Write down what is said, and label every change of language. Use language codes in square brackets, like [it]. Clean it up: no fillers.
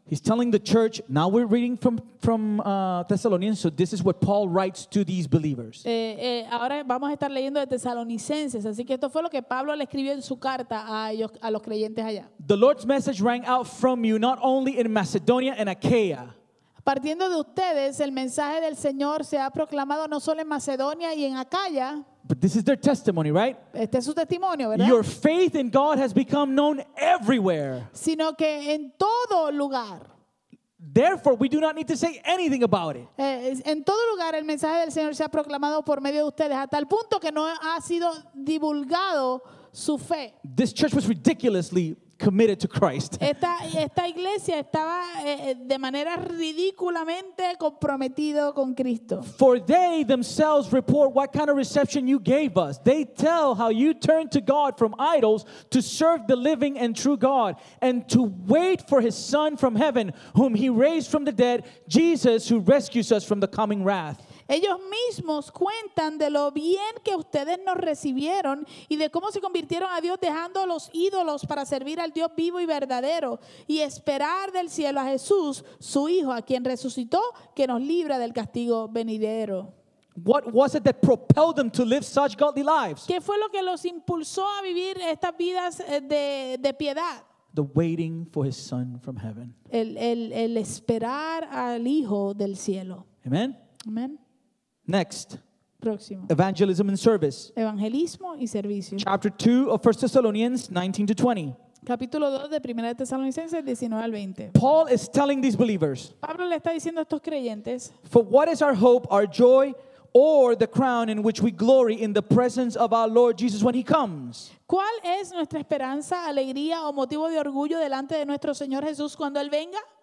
[en] He's telling the church, now we're reading from Thessalonians, so this is what Paul writes to these believers. [es] Ahora vamos a estar leyendo de Tesalonicenses, así que esto fue lo que Pablo le escribió en su carta a ellos, a los creyentes allá. [en] The Lord's message rang out from you not only in Macedonia and Achaia. [es] Partiendo de ustedes, el mensaje del Señor se ha proclamado no solo en Macedonia y en Acaya. [en] But this is their testimony, right? [es] Este es su testimonio, ¿verdad? [en] Your faith in God has become known everywhere. [es] Sino que en todo lugar. [en] Therefore, we do not need to say anything about it. [es] En todo lugar, el mensaje del Señor se ha proclamado por medio de ustedes hasta el punto que no ha sido divulgado su fe. [en] This church was ridiculously committed to Christ. [es] Esta iglesia estaba de manera ridículamente comprometido con Cristo. [en] For they themselves report what kind of reception you gave us. They tell how you turned to God from idols to serve the living and true God and to wait for his son from heaven whom he raised from the dead, Jesus, who rescues us from the coming wrath. [es] Ellos mismos cuentan de lo bien que ustedes nos recibieron y de cómo se convirtieron a Dios dejando los ídolos para servir al Dios vivo y verdadero y esperar del cielo a Jesús, su Hijo, a quien resucitó, que nos libra del castigo venidero. [en] What was it that propelled them to live such godly lives? [es] ¿Qué fue lo que los impulsó a vivir estas vidas de piedad? [en] The waiting for his son from heaven. [es] El esperar al Hijo del cielo. [en] Amen. [es] Amen. [en] Next. [es] Próximo. [en] Evangelism and service. [es] Evangelismo y servicio. [en] Chapter 2 of 1 Thessalonians 19-20. [es] Capítulo 2 de Primera de Tesalonicenses 19-20. [en] Paul is telling these believers. [es] Pablo le está diciendo a estos creyentes. [en] For what is our hope, our joy, or the crown in which we glory in the presence of our Lord Jesus when he comes? [es] ¿Cuál es nuestra esperanza, alegría o motivo de orgullo delante de nuestro Señor Jesús cuando él venga?